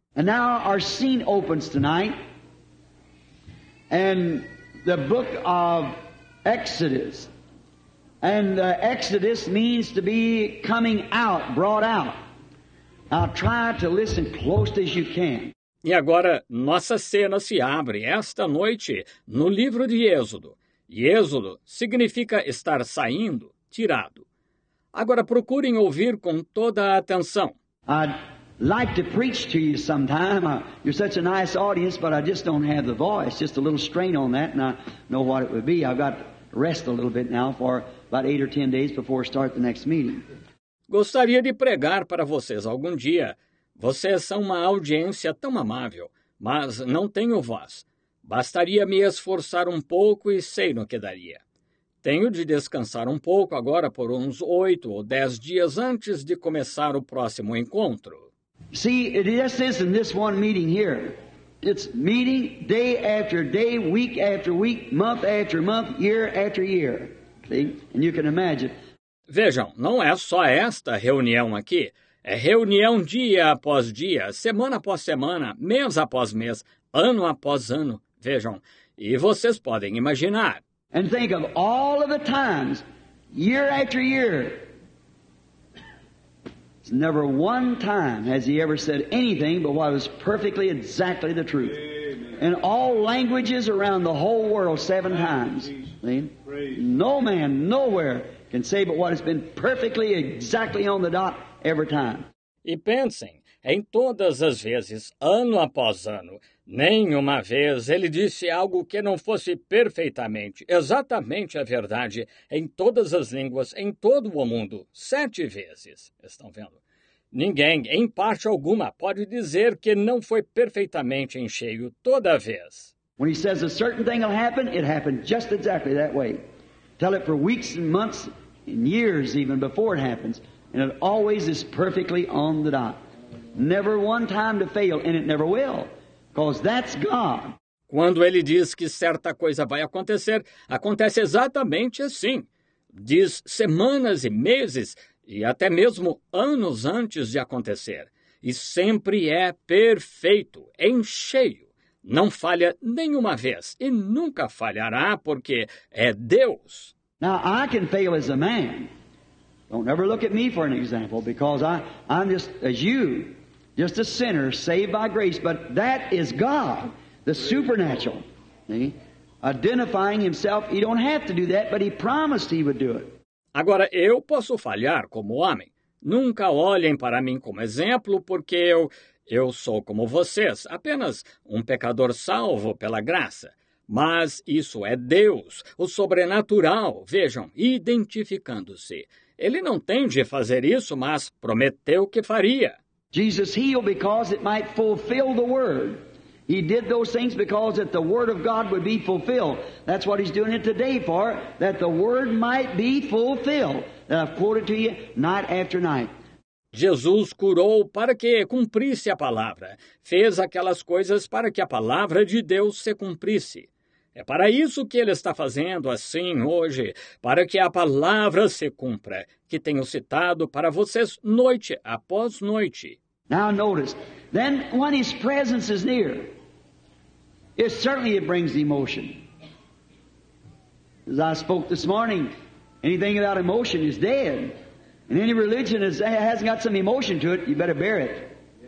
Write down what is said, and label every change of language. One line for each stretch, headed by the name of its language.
English: And now our scene opens tonight, and the book of Exodus. And Exodus means to be coming out, brought out. Now try to listen close as you can.
Portuguese: E agora, nossa cena se abre esta noite no livro de Êxodo. E Êxodo significa estar saindo, tirado. Agora procurem ouvir com toda a atenção.
English: I'd like to preach to you sometime. You're such a nice audience, but I just don't have the voice. Just a little strain on that, and I know what it would be. I've got to rest a little bit now for about 8 or 10 days before I start the next meeting.
Portuguese: Gostaria de pregar para vocês algum dia. Vocês são uma audiência tão amável, mas não tenho voz. Bastaria me esforçar um pouco e sei no que daria. Tenho de descansar um pouco agora por uns 8 ou 10 dias antes de começar o próximo encontro.
English: See, it just isn't this one meeting here. It's meeting day after day, week after week, month after month, year after year. See? And you can imagine.
Portuguese: Vejam, não é só esta reunião aqui. É reunião dia após dia, semana após semana, mês após mês, ano após ano. Vejam, e vocês podem imaginar.
English: And think of all of the times, year after year. It's never one time has he ever said anything but what was perfectly exactly the truth. Amen. In all languages around the whole world 7 times. No man, nowhere can say but what has been perfectly exactly on the dot every time.
Portuguese: E pensem, em todas as vezes, ano após ano, nenhuma vez ele disse algo que não fosse perfeitamente, exatamente a verdade, em todas as línguas, em todo o mundo, 7 vezes. Estão vendo? Ninguém, em parte alguma, pode dizer que não foi perfeitamente em cheio toda vez.
English: When he says a certain thing will happen, it happened just exactly that way. Tell it for weeks and months and years even before it happens, and it always is perfectly on the dot. Never one time to fail, and it never will. Because that's God.
Portuguese: Quando ele diz que certa coisa vai acontecer, acontece exatamente assim. Diz semanas e meses, e até mesmo anos antes de acontecer. E sempre é perfeito, em cheio. Não falha nenhuma vez, e nunca falhará, porque é Deus.
English: Now, I can fail as a man. Don't ever look at me for an example, because I'm just as you. Just a sinner saved by grace, but that is God, the supernatural, see? Identifying himself. He don't have to do that, but he promised he would do it.
Portuguese: Agora, eu posso falhar como homem. Nunca olhem para mim como exemplo, porque eu sou como vocês, apenas um pecador salvo pela graça. Mas isso é Deus, o sobrenatural, vejam, identificando-se. Ele não tem de fazer isso, mas prometeu que faria.
English: Jesus healed because it might fulfill the word. He did those things because that the word of God would be fulfilled. That's what he's doing it today for, that the word might be fulfilled. And I've quoted to you night after night.
Portuguese: Jesus curou para que cumprisse a palavra. Fez aquelas coisas para que a palavra de Deus se cumprisse. É para isso que ele está fazendo assim hoje, para que a palavra se cumpra, que tenho citado para vocês noite após noite.
English: Now notice, then when his presence is near, it certainly brings emotion. As I spoke this morning, anything without emotion is dead. And any religion hasn't got some emotion to it, you better bear it.